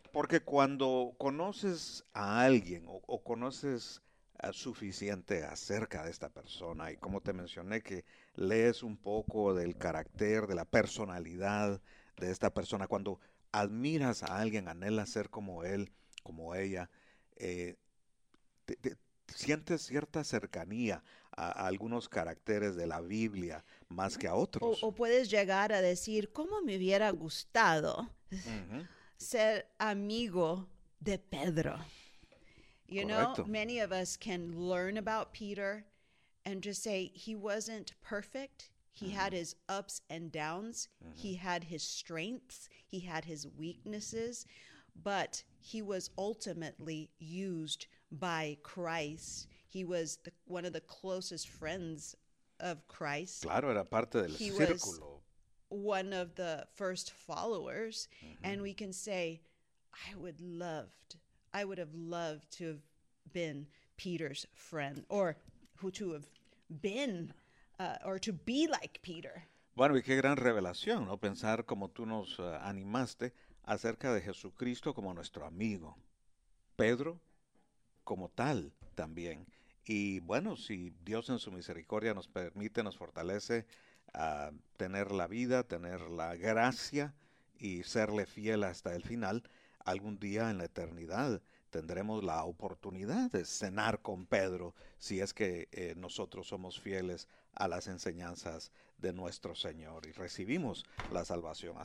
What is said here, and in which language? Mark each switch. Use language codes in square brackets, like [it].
[es] Porque cuando conoces a alguien o conoces suficiente acerca de esta persona y como te mencioné que lees un poco del carácter, de la personalidad de esta persona, cuando admiras a alguien, anhelas ser como él, como ella, sientes cierta cercanía a algunos caracteres de la Biblia más que a otros. O puedes llegar a decir, ¿cómo me hubiera gustado ser amigo de Pedro? [en] You know, [es] Correcto. [en] many of us can learn about Peter and just say he wasn't perfect. He had his ups and downs. He had his strengths. He had his weaknesses. But he was ultimately used by Christ. He was one of the closest friends of Christ. [es] Claro, era parte del [en] He was [es] círculo. [en] one of the first followers, and we can say, I would have loved to have been Peter's friend, or who to have been, or to be like Peter. [es] Bueno, y qué gran revelación, ¿no? Pensar como tú nos animaste acerca de Jesucristo como nuestro amigo, Pedro como tal también. Y bueno, si Dios en su misericordia nos permite, nos fortalece a tener la vida, tener la gracia y serle fiel hasta el final, algún día en la eternidad tendremos la oportunidad de cenar con Pedro si es que nosotros somos fieles a las enseñanzas de nuestro Señor y recibimos la salvación.